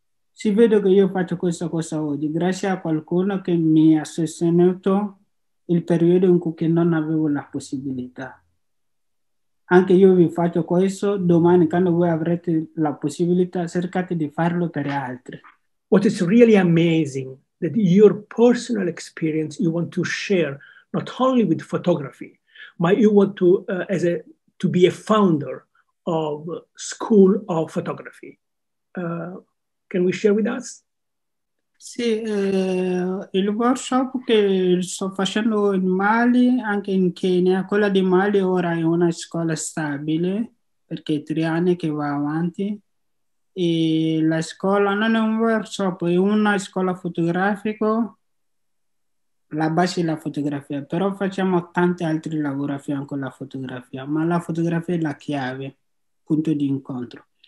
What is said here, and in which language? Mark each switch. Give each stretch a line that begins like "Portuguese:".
Italian: Si vede che io faccio questa cosa oggi, grazie a qualcuno che mi ha sostenuto il periodo in cui non avevo la possibilità. Anche io vi faccio questo, domani quando voi avrete la possibilità, cercate di farlo per altri.
English: What is really amazing that your personal experience you want to share not only with photography, ma you want to to be a founder of School of Photography. Can we share with us?
Italian: Sì, il workshop che sto facendo in Mali, anche in Kenya, quella di Mali ora è una scuola stabile, perché è 3 anni che va avanti, e la scuola non è un workshop, è una scuola fotografica, la base è la fotografia, però facciamo tanti altri lavori con la fotografia, ma la fotografia è la chiave, punto di incontro.